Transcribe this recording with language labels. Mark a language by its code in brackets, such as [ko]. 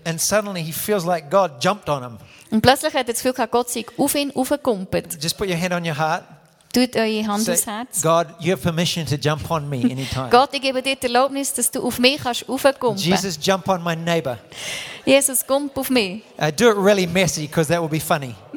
[en] And suddenly he feels like God jumped on him. [de] Und plötzlich hat er das Gefühl gehabt, Gott sei auf ihn aufgekumpelt. [en] Just put your hand on your heart. [de] Tut eure Hand aufs Herz. [en] God, you have permission to jump on me anytime. [de] Gott, ich gebe dir die Erlaubnis, dass du auf mich kannst aufkumpeln. [en] Jesus, jump on my neighbor. [de] Jesus, kump auf mich. [en] Do it really messy, because that will be funny.